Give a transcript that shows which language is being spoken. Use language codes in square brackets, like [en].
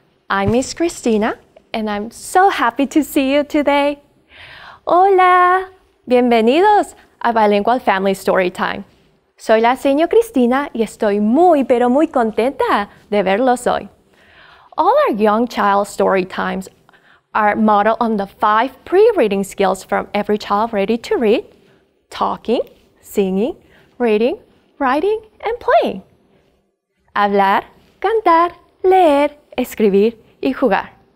[en] I'm Miss Christina, and I'm so happy to see you today. [es] Hola, bienvenidos a Bilingual Family Storytime. Soy la señora Cristina y estoy muy, pero muy contenta de verlos hoy. [en] All our young child story times are modeled on the 5 pre-reading skills from every child ready to read: talking, singing, reading, writing, and playing. [es] Hablar, cantar, leer, escribir, y jugar.